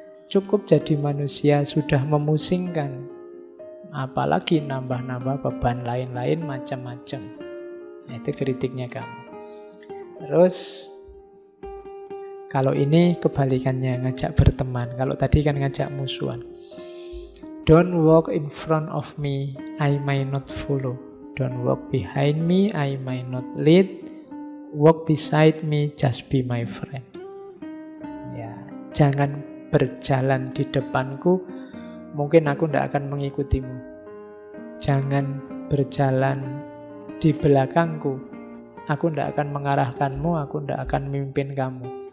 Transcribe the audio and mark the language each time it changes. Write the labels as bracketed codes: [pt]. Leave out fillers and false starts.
[id] cukup jadi manusia sudah memusingkan, apalagi nambah-nambah beban lain-lain macam-macam. Nah, itu kritiknya kamu. Terus kalau ini kebalikannya, ngajak berteman. Kalau tadi kan ngajak musuhan. [en] Don't walk in front of me, I may not follow. Don't walk behind me, I may not lead. Walk beside me, just be my friend. [id] Ya, jangan berjalan di depanku, mungkin aku tidak akan mengikutimu. Jangan berjalan di belakangku, aku tidak akan mengarahkanmu, aku tidak akan memimpin kamu.